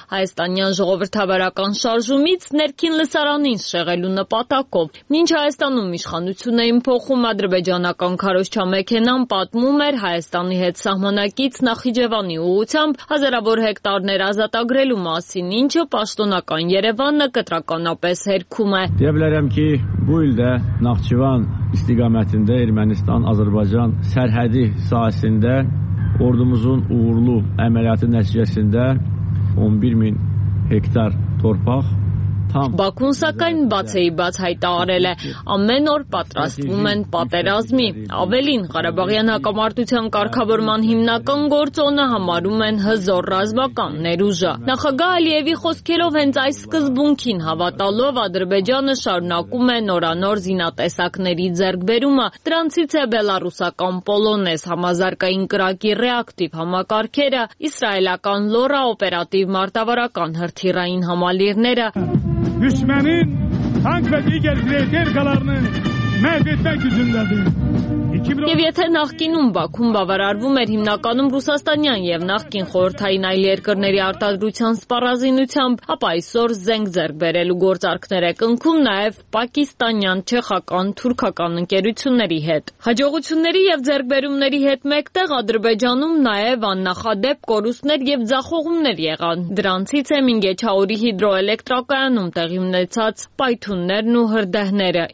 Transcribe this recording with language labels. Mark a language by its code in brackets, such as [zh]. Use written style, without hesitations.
[hy] հայաստանյան ժողովրդավարական շարժումից ներքին լսարանին շեղելու նպատակով։ Մինչ Հայաստանում իշխանություն էին փոխում, ադրբեջանական քարոշչամեքենան պատմում էր Հայաստանի հետ սահմանակից Նախիջևանի ուղությամբ հազարավոր հեկտարներ ազատագրելու մասին, ինչը պաշտոնական Երևանը կտրականապես [az] Deyə bilərəm ki, bu ildə Naxçıvan istiqamətində Ermənistan-Azərbaycan sərhədi sahəsində ordumuzun uğurlu əməliyyatı nəticəsində 11 min hektar torpaq [hy] Բաքուն, սակայն, բացեի բաց հայտարել է, ամեն օր պատրաստվում են պատերազմի, ավելին Ղարաբաղյան հակամարտության կարգավորման հիմնական գործոնը համարում են հզոր ռազմական ներուժը։ Նախագահ Ալիևի խոսքերով հենց այս սկզբունքին հավատալով Ադրբեջանը շարունակում է նորանոր զինատեսակների ձեռքբերումը, դրանցից է բելառուսական Պոլոնես համազարգային կրակի ռեակտիվ համակարգերը, իսրայելական Լորա օպերատիվ մարտավարական հրթիռային համալիրները։ [az] Düşmənin tank və digər qələrini məhv etmək üçündədir. [hy] Եվ եթե նախկինում Բաքուն բավարարվում էր հիմնականում Ռուսաստանյան եւ նախկին խորհրդային այլ երկրների արտադրության սպառազինությամբ, ապա այսօր զենք ձեռք բերելու գործարքներ է կնքում նաեւ Պակիստանյան, Չեխական, Թուրքական ընկերությունների հետ։ Հաջողությունների եւ ձեռքբերումների հետ մեկտեղ Ադրբեջանում նաեւ աննախադեպ կորուստներ եւ ձախողումներ եղան։ Դրանցից է Մինգեչաուրի հիդրոէլեկտրակայանում տեղի ունեցած պայթուններն ու հրդեհները,